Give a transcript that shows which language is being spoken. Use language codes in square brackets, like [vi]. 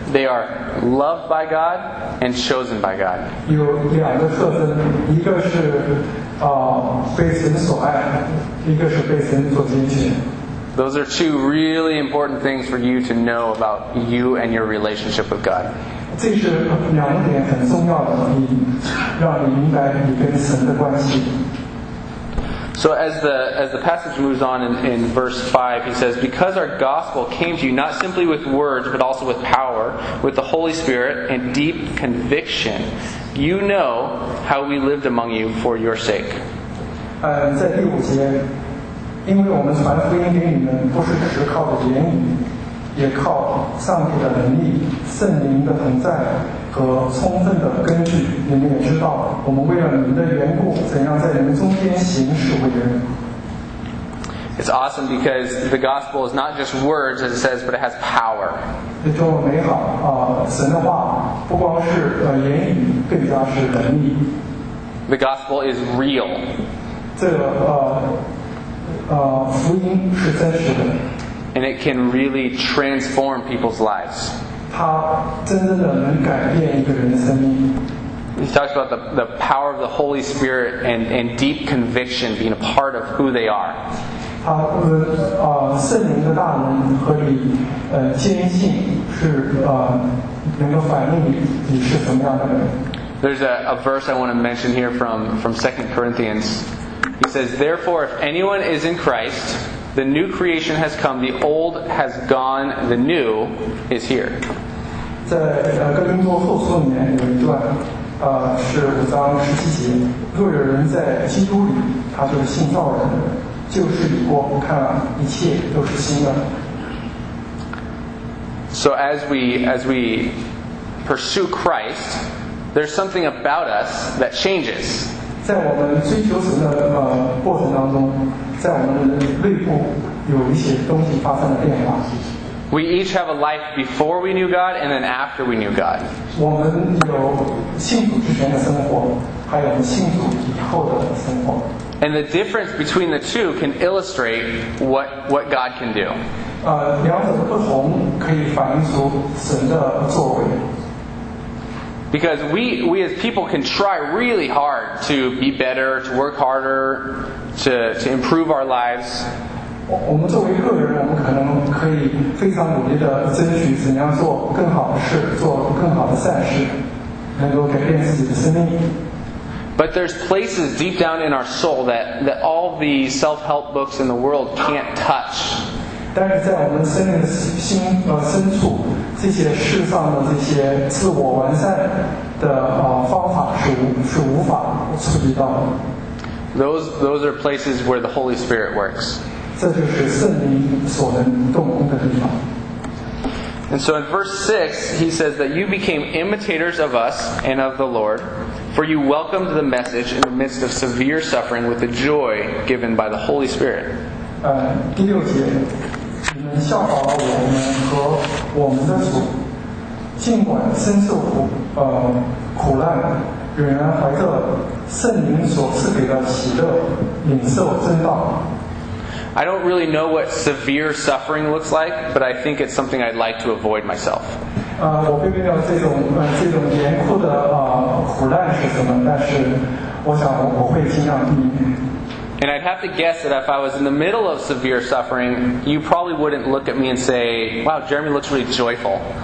[en] They are loved by God and chosen by God. [zh] 有两个特征，一个是被神所爱，一个是被神所拣选。 [en] Those are two really important things for you to know about you and your relationship with God. [zh] 这是两点很重要的，让你明白你跟神的关系。 [en] So as the passage moves on in verse 5, he says, Because our gospel came to you not simply with words, but also with power, with the Holy Spirit, and deep conviction, you know how we lived among you for your sake. [zh] 在第五节，因为我们传福音给你们，不是只靠着言语，也靠上帝的能力、圣灵的同在和充分的根据，你们也知道，我们为了你们的缘故，怎样在你们中间行事为人。 [en] It's awesome because the gospel is not just words, as it says, but it has power. [zh] 这多么美好啊！神的话不光是言语，更加是能力。 [en] The gospel is real. [zh] 这个福音是真实的。 [en] And it can really transform people's lives. [zh] 他真正的能改变一个人的生命。 [en] He talks about the power of the Holy Spirit and deep conviction being a part of who they are. [zh] 他圣灵的大能和你坚信是能够反映你是什么样的人。 [en] There's a verse I want to mention here from 2 Corinthians. He says, "Therefore, if anyone is in Christ, the new creation has come. The old has gone. The new is here." [zh] 在哥林多后书里面有一段，是五章十七节。若有人在基督里，他就是新造人，旧事已过，看一切都是新的。 [en] So as we pursue Christ, there's something about us that changes. [zh] 在我们追求神的过程当中，在我们的内部有一些东西发生了变化。 [en] We each have a life before we knew God, and then after we knew God. [zh] 我们有信主之前的生活，还有信主以后的生活。 [en] And the difference between the two can illustrate what God can do. [zh] 两者的不同可以反映出神的作为。 [en] Because we as people can try really hard to be better, to work harder, to improve our lives. [zh] 我们作为个人，我们可能可以非常努力地争取怎样做更好的事，做更好的善事，能够改变自己的生命。 [en] But there's places deep down in our soul that all the self-help books in the world can't touch. [zh] 但是在我们生命的心深处。这些世上的这些自我完善的方法是无法触及到的。 [en] Those are places where the Holy Spirit works. [zh] 这就是圣灵所能动工的地方。 [en] And so in verse 6, he says that you became imitators of us and of the Lord, for you welcomed the message in the midst of severe suffering with the joy given by the Holy Spirit. [zh] 第六节。效法了我们和我们的主，尽管深受苦难，仍然怀着圣灵所赐给的喜乐，领受真道。 [en] I don't really know what severe suffering looks like, but I think it's something I'd like to avoid myself. [zh] 我并没有这种严酷的苦难是什么，但是我想我会尽量避免。 [en] And I'd have to guess that if I was in the middle of severe suffering, you probably wouldn't look at me and say, wow, Jeremy looks really joyful.